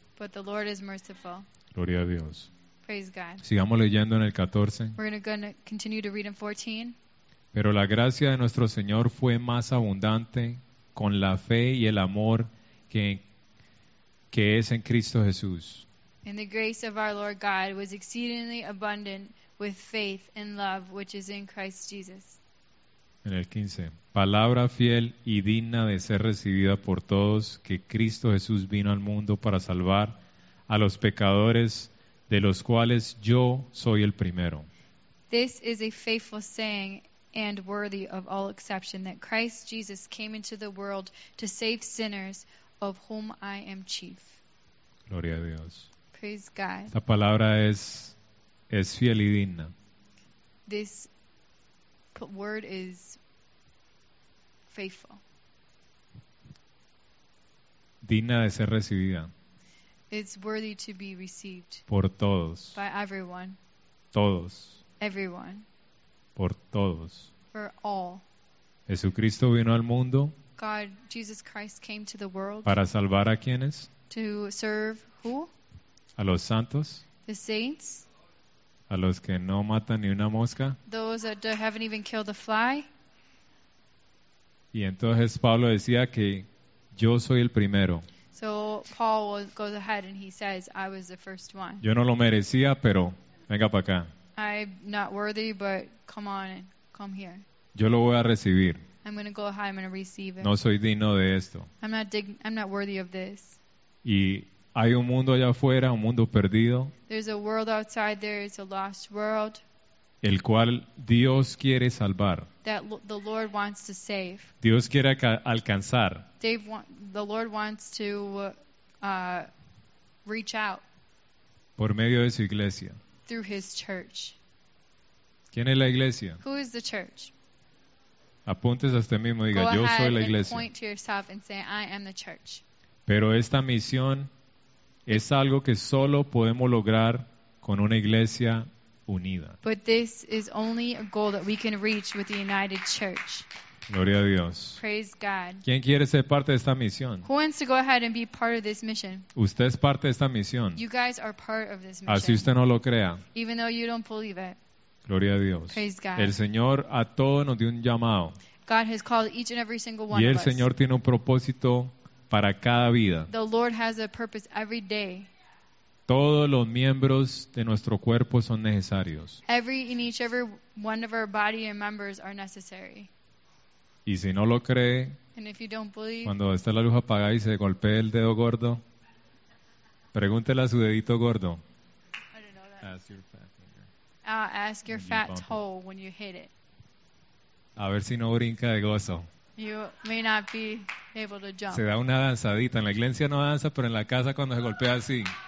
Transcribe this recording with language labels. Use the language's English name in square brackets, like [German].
[English] But the Lord is merciful. [Spanish] Gloria a Dios. [English] Praise God. [Spanish] Sigamos leyendo en el 14. [English] We're gonna continue to read in 14. [Spanish] Pero la gracia de nuestro Señor fue más abundante con la fe y el amor que es en Cristo Jesús. [English] And the grace of our Lord God was exceedingly abundant with faith and love which is in Christ Jesus. [Spanish] En el 15. Palabra fiel y digna de ser recibida por todos, que Cristo Jesús vino al mundo para salvar a los pecadores, de los cuales yo soy el primero. [English] This is a faithful saying and worthy of all exception, that Christ Jesus came into the world to save sinners, of whom I am chief. [Spanish] Gloria a Dios. [English] Praise God. [Spanish] Esta palabra es fiel y digna. [English] This word is faithful. [Spanish] Digna de ser recibida. [English] It's worthy to be received. [Spanish] Por todos. [English] By everyone. [Spanish] Todos. [English] Everyone. [Spanish] Por todos. [English] For all. [Spanish] Jesucristo vino al mundo. [English] God, Jesus Christ came to the world. [Spanish] ¿Para salvar a quiénes? [English] To serve who? [Spanish] A los santos. [English] The saints. [Spanish] A los que no matan ni una mosca. [English] Those that haven't even killed a fly. [Spanish] Y entonces Pablo decía que yo soy el primero. [English] So Paul goes ahead and he says, I was the first one. [Spanish] Yo no lo merecía, pero venga para acá. [English] I'm not worthy, but come on, come here. [Spanish] Yo lo voy a recibir. [English] I'm going to go high, I'm going to receive it. [Spanish] No soy digno de esto. [English] I'm not worthy of this. [Spanish] Y hay un mundo allá afuera, un mundo perdido. [English] There's a world outside there, it's a lost world. [Spanish] El cual Dios quiere salvar. [English] That the Lord wants to save. [Spanish] Dios quiere alcanzar. [English] The Lord wants to reach out. [Spanish] Por medio de su iglesia. [English] Through his church. [Spanish] ¿Quién es la iglesia? [English] Who is the church? [Spanish] Apuntes a usted mismo y diga, [English] go [Spanish] yo soy la iglesia. [English] Point to yourself and say, I am the church. [Spanish] Pero esta misión es algo que solo podemos lograr con una iglesia unida. [English] But this is only a goal that we can reach with the united church. [Spanish] Gloria a Dios. [English] Praise God. [Spanish] ¿Quién quiere ser parte de esta misión? [English] Who wants to go ahead and be part of this mission? [Spanish] Usted es parte de esta misión. [English] You guys are part of this mission. [Spanish] Así usted no lo crea. [English] Even though you don't believe it. [Spanish] Gloria a Dios. [English] Praise God. [Spanish] El Señor a todos nos dio un llamado. [English] God has called each and every single one of [Spanish] us. Y el Señor tiene un propósito para cada vida. [English] The Lord has a purpose every day. [Spanish] Todos los miembros de nuestro cuerpo son necesarios. [English] Every one of our body and members are necessary. [Spanish] Y si no lo cree, [English] and if you don't believe, [Spanish] cuando está la luz apagada y se golpee el dedo gordo, pregúntele a su dedito gordo. [English] I don't know that. Ask your fat toe when you hit it. [Spanish] A ver si no brinca de gozo. [English] You may not be able to jump. [Spanish] Se da una danzadita. En la iglesia no danza, pero en la casa cuando se golpea así.